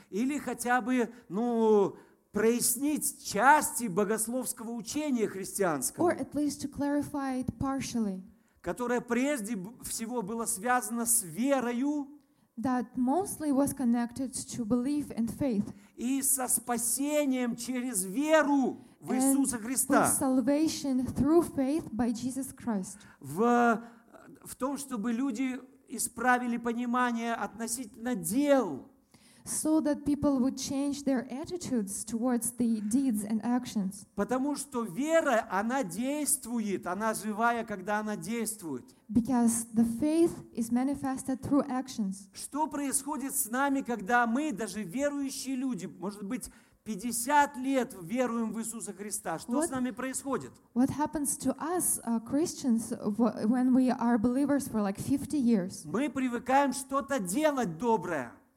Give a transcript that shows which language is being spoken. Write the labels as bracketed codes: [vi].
[ru] Или хотя бы, ну, прояснить части богословского учения христианского, [en] or at least to clarify it partially, [ru] которое прежде всего было связано с верою, [en] that mostly was connected to belief and faith, [ru] и со спасением через веру в Иисуса Христа. [en] For salvation through faith by Jesus Christ. [ru] В том, чтобы люди исправили понимание относительно дел. [en] So that people would change their attitudes towards the deeds and actions. [ru] Потому что вера, она действует, она живая, когда она действует. [en] Because the faith is manifested through actions. [ru] Что происходит с нами, когда мы, даже верующие люди, может быть, 50 лет веруем в Иисуса Христа? Что с нами происходит? [en] What happens to us, Christians, when we are believers for like 50 years? [ru] Мы привыкаем что-то делать доброе.